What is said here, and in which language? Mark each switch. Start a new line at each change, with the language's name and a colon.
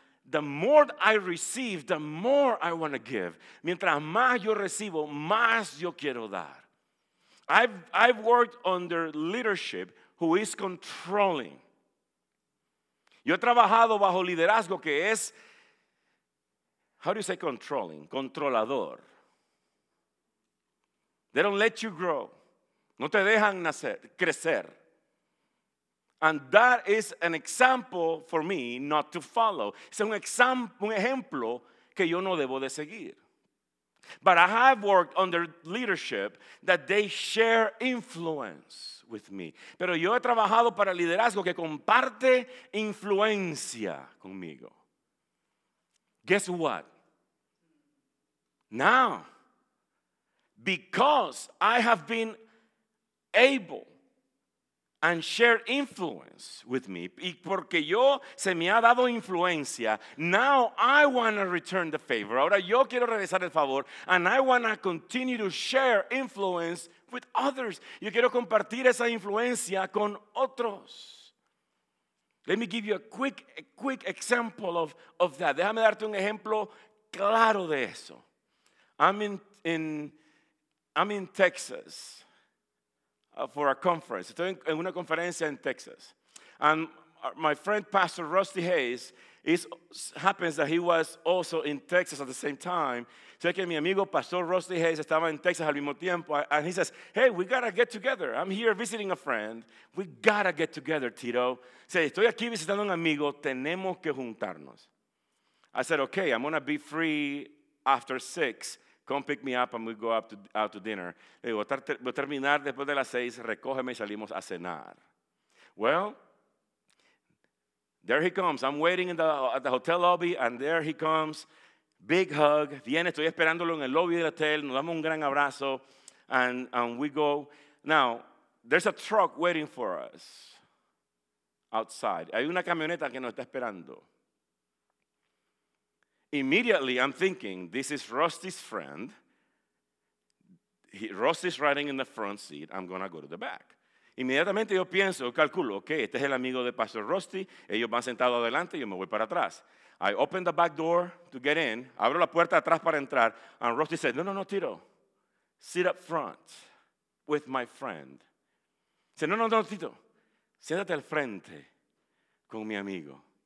English: The more I receive, the more I want to give.
Spanish: Mientras más yo recibo, más yo quiero dar.
English: I've worked under leadership who is controlling.
Spanish: Yo he trabajado bajo liderazgo que es,
English: how do you say controlling?
Spanish: Controlador.
English: They don't let you grow.
Spanish: No te dejan nacer, crecer.
English: And that is an example for me not to follow.
Spanish: Es un ejemplo que yo no debo de seguir.
English: But I have worked under leadership that they share influence with me.
Spanish: Pero yo he trabajado para liderazgo que comparte influencia conmigo.
English: Guess what? Now, because I have been able and share influence with me,
Spanish: y porque yo se me ha dado influencia,
English: now I want to return the favor.
Spanish: Ahora yo quiero regresar el favor,
English: and I want to continue to share influence with others.
Spanish: Yo quiero compartir esa influencia con otros.
English: Let me give you a quick example of that.
Spanish: Déjame darte un ejemplo claro de eso.
English: I'm in Texas for a conference.
Spanish: Estoy en una conferencia en Texas.
English: And my friend, Pastor Rusty Hayes, happens that he was also in Texas at the same time.
Spanish: Sé que mi amigo, Pastor Rusty Hayes, estaba en Texas al mismo tiempo.
English: And he says, hey, we got to get together. I'm here visiting a friend. We got to get together, Tito.
Spanish: Say, estoy aquí visitando un amigo. Tenemos que juntarnos.
English: I said, okay, I'm going to be free after 6. Come pick me up and we go out to dinner.
Spanish: Le digo, voy a terminar después de las 6, recógeme y salimos a cenar.
English: Well, there he comes. I'm waiting at the hotel lobby and there he comes. Big hug.
Spanish: Viene, estoy esperándolo en el lobby del hotel. Nos damos un gran abrazo
English: and we go. Now, there's a truck waiting for us outside.
Spanish: Hay una camioneta que nos está esperando.
English: Immediately, I'm thinking, this is Rusty's friend. Rusty's riding in the front seat. I'm going to go to the back.
Spanish: Inmediatamente, yo pienso, calculo, okay, este es el amigo de Pastor Rusty. Ellos van sentados adelante, yo me voy para atrás.
English: I open the back door to get in.
Spanish: Abro la puerta atrás para entrar.
English: And Rusty said, no, Tito. Sit up front with my friend. Say, no, Tito.
Spanish: Siéntate al frente con mi amigo.